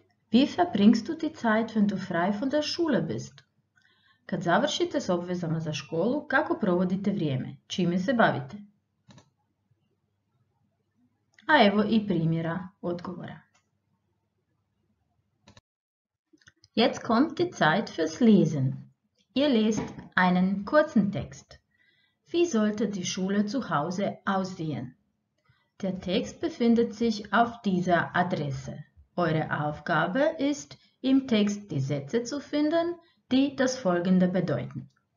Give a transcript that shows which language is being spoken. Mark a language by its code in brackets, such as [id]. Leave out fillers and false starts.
[de] Wie verbringst du die Zeit, wenn du frei von der Schule bist? [hr] Kad završite s obvezama za školu, kako provodite vrijeme? Čime se bavite? A evo i primjera odgovora. [de] Jetzt kommt die Zeit fürs Lesen. Ihr lest einen kurzen Text. Wie sollte die Schule zu Hause aussehen? Der Text befindet sich auf dieser Adresse. Eure Aufgabe ist, im Text die Sätze zu finden, die das Folgende bedeuten.